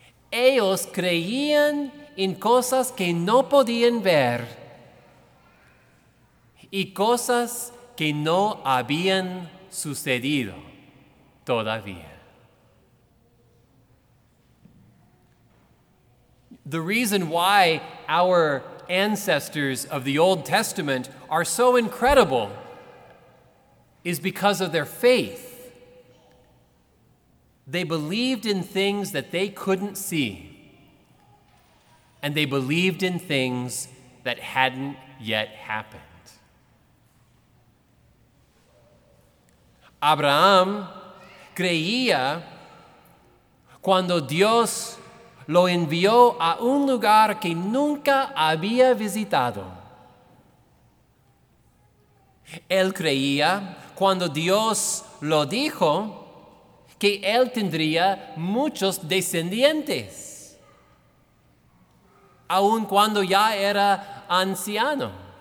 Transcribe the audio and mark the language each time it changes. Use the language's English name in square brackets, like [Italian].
[Spanish] Ellos creían en cosas que no podían ver y cosas que no habían sucedido todavía. [English] The reason why our ancestors of the Old Testament are so incredible is because of their faith. They believed in things that they couldn't see, and they believed in things that hadn't yet happened. [Spanish] Abraham creía cuando Dios lo envió a un lugar que nunca había visitado. Él creía, cuando Dios lo dijo, que él tendría muchos descendientes, aun cuando ya era anciano.